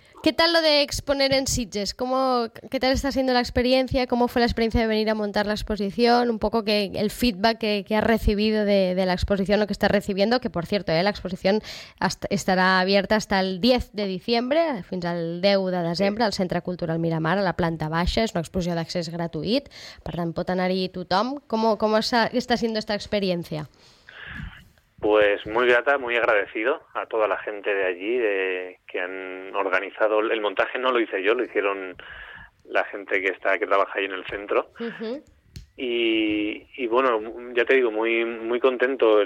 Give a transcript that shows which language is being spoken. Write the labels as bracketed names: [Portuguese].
[Spanish] ¿Qué tal lo de exponer en Sitges? ¿Qué tal está siendo la experiencia? ¿Cómo fue la experiencia de venir a montar la exposición? Un poco que el feedback que has recibido de la exposición, lo que estás recibiendo, que por cierto, la exposición estará abierta hasta el 10 de diciembre, [Catalan] fins al 10 de desembre, al Centre Cultural Miramar, a la planta baixa. És una exposició d'accés gratuït, per tant, pot anar-hi tothom. [Spanish] ¿Cómo está siendo esta experiencia? Pues muy grata, muy agradecido a toda la gente de allí que han organizado. El montaje no lo hice yo, lo hicieron la gente que trabaja ahí en el centro. Uh-huh. Y bueno, ya te digo, muy muy contento.